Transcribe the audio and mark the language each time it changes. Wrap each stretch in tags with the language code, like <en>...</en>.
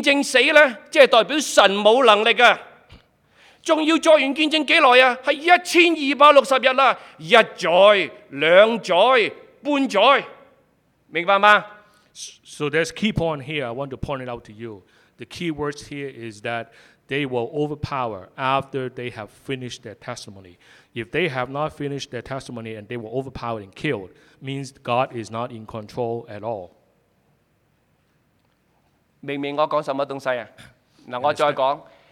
<yue>停喺度啊！我再搞多个熟灵功课啊！11章第7节啦，呢两个见证人作完见证先被杀，未作完见证唔会死嘅，未作完见证死咧，即系代表神冇能力噶。仲要作完见证几耐啊？系1260日啦，一载、两载、半载，明白吗？</yue> <en>So there's key point here. I want to point it out to you. The key words here is that they will overpower after they have finished their testimony. If they have not finished their testimony and they were overpowered and killed, means God is not in control at all.</en> <yue>明明我讲什么东西啊？嗱，我再讲。</yue>